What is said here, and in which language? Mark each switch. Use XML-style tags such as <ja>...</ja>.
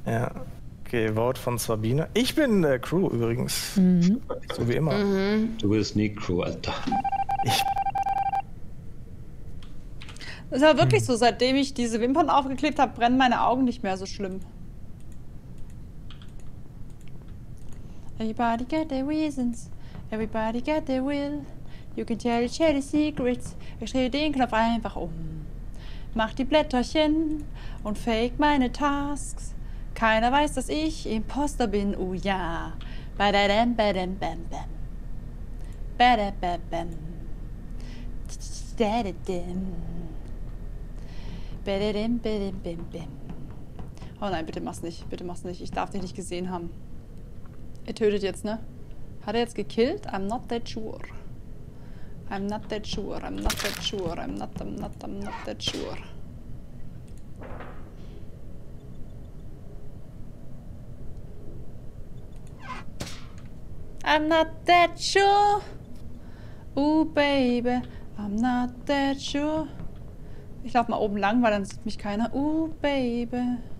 <de>Ja. Okay, Wort von Sabine. Ich bin Crew übrigens. Mhm. So wie immer. Mhm. Du bist nie Crew, Alter. Es war wirklich so, seitdem ich diese Wimpern aufgeklebt habe, brennen meine Augen nicht mehr so schlimm.</de> <en>Everybody got their reasons. Everybody get the will. You can tell each other secrets.</en> <de>Ich drehe den Knopf einfach um. Mach die Blätterchen und fake meine Tasks. Keiner weiß, dass ich Imposter bin. Oh ja. Badadam, badam, bam, bam. Badadam, bam. Dadadam. Badadam, badam, bam, bam. Oh nein, bitte mach's nicht. Bitte mach's nicht. Ich darf dich nicht gesehen haben. Er tötet jetzt, ne? Hat er jetzt gekillt?</de> <en>I'm not that sure. I'm not that sure, I'm not that sure, I'm not that sure. I'm not that sure. Ooh, baby, I'm not that sure.</en> <de>Ich lauf mal oben lang, weil dann sieht mich keiner.</de> <en>Ooh, baby.</en>